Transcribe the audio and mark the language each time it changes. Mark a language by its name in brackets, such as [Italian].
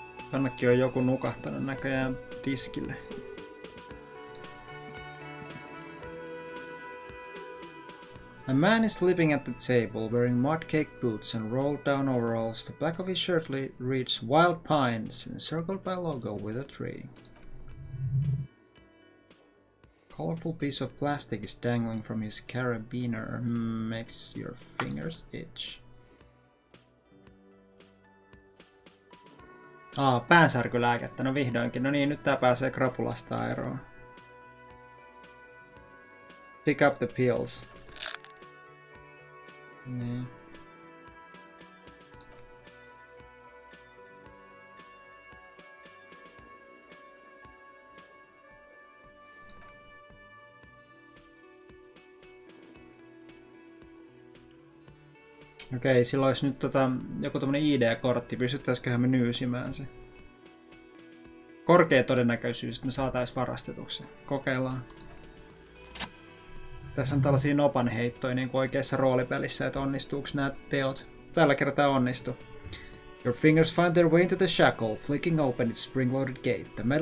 [Finnish] Tännekin on joku nukahtanut näköjään tiskille. [English] A man is sleeping at the table, wearing mud cake boots and rolled down overalls. The back of his shirt reads wild pines, encircled by a logo with a tree. A colorful piece of plastic is dangling from his carabiner. Makes your fingers itch. [Finnish] Ah, päänsärkylääkettä. No vihdoinkin. No niin, nyt tää pääsee krapulasta eroon. [English] Pick up the pills. [Finnish] Niin. Okei, sillä olisi nyt joku tämmönen ID-kortti. Pystyttäisiköhän me nyysimään se? Korkea todennäköisyys, että me saatais varastetuksi. Kokeillaan. Tässä on tällaisia nopanheittoja niin kuin oikeassa roolipelissä, että onnistuuko nämä teot. Tällä kertaa onnistu. [English] Your fingers find their way into the shackle, flicking open its spring-loaded gate.